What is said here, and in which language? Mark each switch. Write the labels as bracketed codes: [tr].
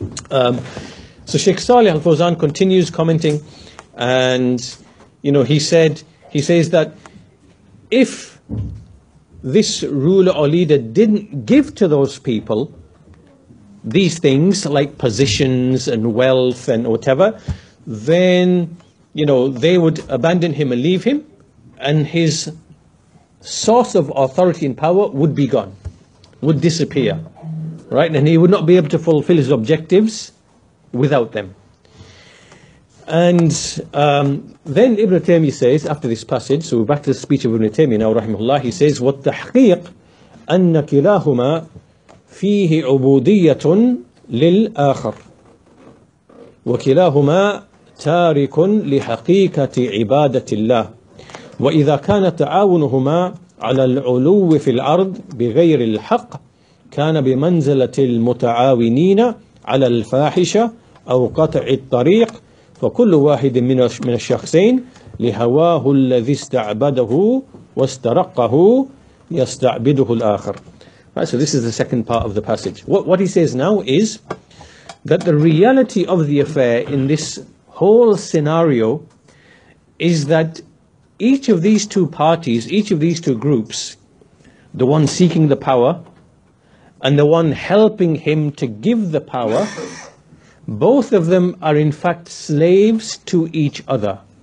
[en] So Sheikh Saleh Al-Fawzan continues commenting, and you know, he says that if this ruler or leader didn't give to those people these things like positions and wealth and whatever, then you know, they would abandon him and leave him, and his source of authority and power would be gone, would disappear, right? And he would not be able to fulfill his objectives without them. And then Ibn Taymiyyah says, after this passage, so we're back to the speech of Ibn Taymiyyah now, rahimahullah, he says, [ar] وَالتَّحْقِيقْ أَنَّ كِلَاهُمَا فِيهِ عُبُودِيَّةٌ لِلْآخَرِ وَكِلَاهُمَا تَارِكٌ لِحَقِيقَةِ عِبَادَةِ اللَّهِ وَإِذَا كَانَ تَعَاوُنُهُمَا عَلَى الْعُلُوِّ فِي الْأَرْضِ بِغَيْرِ الْحَقِّ كَانَ بِمَنْزَلَةِ الْمُتَعَاوِنِينَ عَلَى الْفَاحِشَةِ أَوْ قَطْعِ الطَّرِيقِ فَكُلُّ وَاحِدٍ مِنَ الشَّخْصَيْنِ لِهَوَاهُ الَّذِي اسْتَعْبَدَهُ وَاسْتَرَقَّهُ يَسْتَعْبِدُهُ الْآخَرُ. [en] Right, so this is the second part of the passage. What he says now is that the reality of the affair in this whole scenario is that each of these two parties, each of these two groups, the one seeking the power and the one helping him to give the power, both of them are in fact slaves to each other.